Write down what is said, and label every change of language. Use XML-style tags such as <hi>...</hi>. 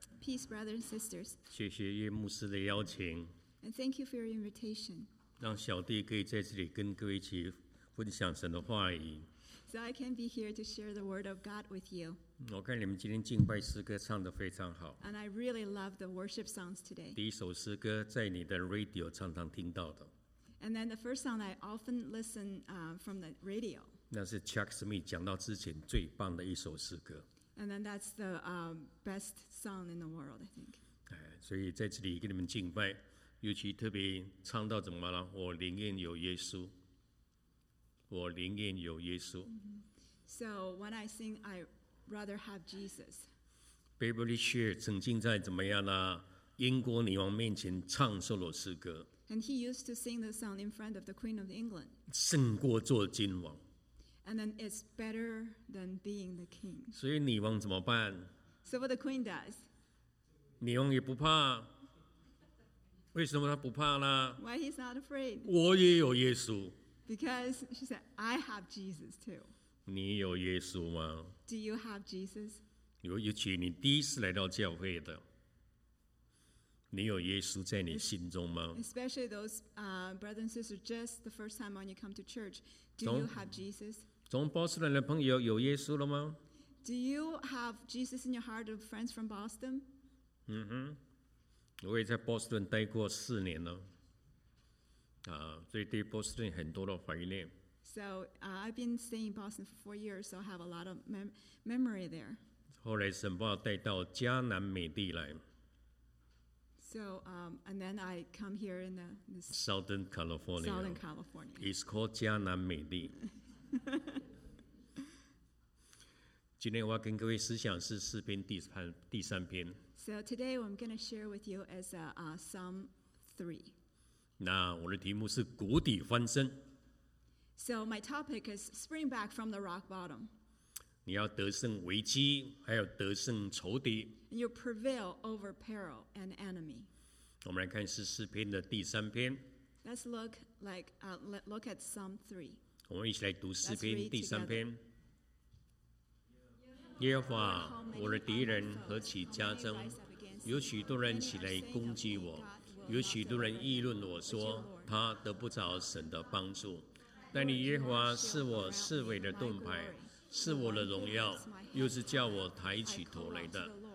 <en>Peace, brothers and sisters.</en> <zh>谢谢叶牧师的邀请。</zh> <en>And thank you for your invitation.</en> <zh>让小弟可以在这里跟各位一起分享神的话语。</zh> <en>So I can be here to share the word of God with you.</en> <zh>我看你们今天敬拜诗歌唱得非常好。</zh> <en>And I really love the worship songs today.</en> <zh>第一首诗歌在你的 radio 常常听到的。</zh> <en>And then the first song I often listen from the radio.</en> <zh>那是 Chuck Smith 讲到之前最棒的一首诗歌。</zh> <en>And then that's the best song in the world, I think.</en> <zh>所以在这里给你们敬拜，尤其特别唱到怎么了？我里面有耶稣，我里面有耶稣。</zh> <en>So when I sing, I rather have Jesus.</en> <zh>Beverly Shear 曾经在怎么样呢？英国女王面前唱这首诗歌。</zh> <en>And he used to sing the song in front of the Queen of England.</en> <zh>胜过做君王。</zh> <en>And then it's better than being the king.</en> <zh>所以女王怎么办?</zh> <en>So what the queen does?</en> <zh>女王也不怕。为什么她不怕呢?</zh> <en>Why he's not afraid?</en> <zh>我也有耶稣。</zh> <en>Because she said, I have Jesus too.</en> <zh>你有耶稣吗?</zh> <en>Do you have Jesus?</en> <zh>尤其你第一次来到教会的。你有耶稣在你心中吗?</zh> <en>Especially those brothers and sisters just the first time when you come to church, do you have Jesus?</en> <zh>从波士顿的朋友有耶稣了吗?</zh> <en>Do you have Jesus in your heart of friends from Boston?</en> <zh>嗯哼，我也在波士顿待过四年了，所以对波士顿很多的怀念。</zh> <en>So I've been staying in Boston for 4 years, so I have a lot of memory there.</en> <zh>后来神把我带到加南美地来。</zh> <en>So, and then I come here in the Southern California. Southern California. It's called 加南美地。</en> <zh>今天我要跟各位思想是诗篇第三篇。</zh> <en>So today I'm going to share with you as Psalm 3.</en> <zh>那我的题目是谷底翻身。</zh> <en>So my topic is spring back from the rock bottom.</en> <zh>你要得胜危机，还要得胜仇敌。</zh> <en>You prevail over peril and enemy.</en> <zh>我们来看是诗篇的第三篇。</zh> <en>Let's look like look at Psalm 3.</en> <zh>我们一起来读诗篇第三篇。耶和华，我的敌人何其加增！有许多人起来攻击我，有许多人议论我说他得不着神的帮助。但你耶和华是我四围的盾牌，是我的荣耀，又是叫我抬起头来的。</zh>